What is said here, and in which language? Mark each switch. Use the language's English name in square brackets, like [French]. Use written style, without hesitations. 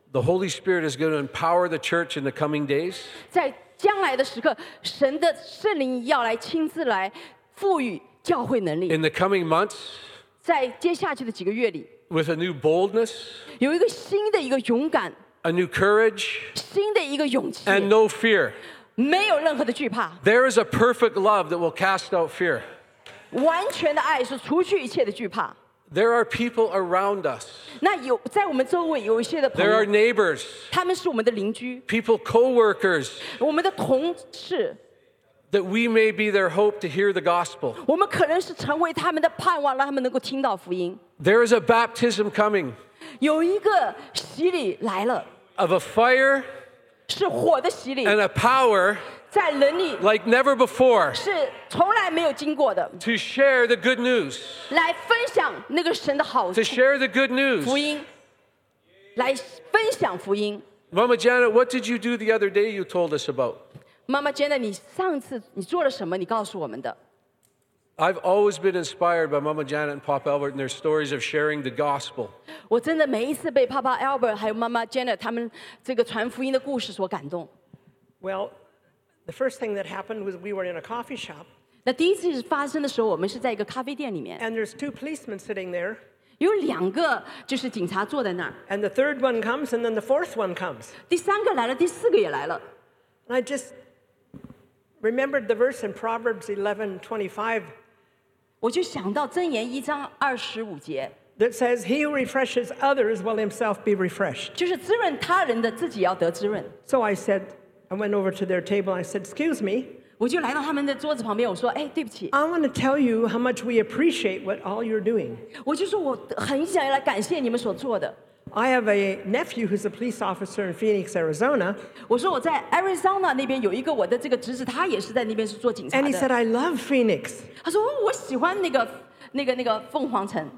[English] the Holy Spirit is going to empower the church in the coming days. [Chinese] 在将来的时刻, 神的圣灵要来亲自来, 赋予教会能力, [English] in the coming months, [Chinese] 在接下去的几个月里, [English] with a new boldness, [Chinese] 有一个新的一个勇敢, [English] a new courage, [Chinese] 新的一个勇气, [English] and no fear. [Chinese] 没有任何的惧怕, [English] there is a perfect love that will cast out fear. [Chinese] 完全的爱是除去一切的惧怕, [English] there are people around us. [Chinese] 那有在我们周围有一些的朋友, [English] there are neighbors. [Chinese] 他们是我们的邻居, [English] people, co-workers. [Chinese] 我们的同事, [English] that we may be their hope to hear the gospel. [Chinese] 我们可能是成为他们的盼望, 让他们能够听到福音, [English] there is a baptism coming. [Chinese] 有一个洗礼来了, [English] of a fire, [Chinese] 是火的洗礼, [English] and a power, [Chinese] 在人里, [English] like never before, [Chinese] 是从来没有经过的, [English] to share the good news, [Chinese] 来分享那个神的好处, [English] to share the good news, [Chinese] 福音, 来分享福音, [English] Mama Janet, what did you do the other day you told us about? [Chinese] Mama Janet, 你上次你做了什么, 你告诉我们的, [English] I've always been inspired by Mama Janet and Papa Albert and their stories of sharing the gospel. [Chinese] 我真的每一次被Papa Albert还有Mama Janet他们这个传福音的故事所感动。 [English] Well, the first thing that happened was we were in a coffee shop. [Chinese] 那第一次发生的时候，我们是在一个咖啡店里面。 [English] And there's two policemen sitting there. [Chinese] 有两个就是警察坐在那儿。 [English] And the third one comes, and then the fourth one comes. [Chinese] 第三个来了，第四个也来了。 [English] And I just remembered the verse in Proverbs 11:25. [Chinese] 我就想到箴言一章二十五节, [English] that says, he who refreshes others will himself be refreshed. [Chinese] 就是滋润他人的自己要得滋润。 [English] So I said, I went over to their table, I said, excuse me, [Chinese] 我就来到他们的桌子旁边, 我说, 哎, 对不起, [English] I want to tell you how much we appreciate what all you're doing. [Chinese] 我就说我很想要来感谢你们所做的。 [English] I have a nephew who's a police officer in Phoenix, Arizona. [Chinese] 我说我在Arizona那边有一个我的这个侄子, 他也是在那边是做警察的。 [English] And he said, I love Phoenix. [Chinese] 他说我喜欢那个凤凰城。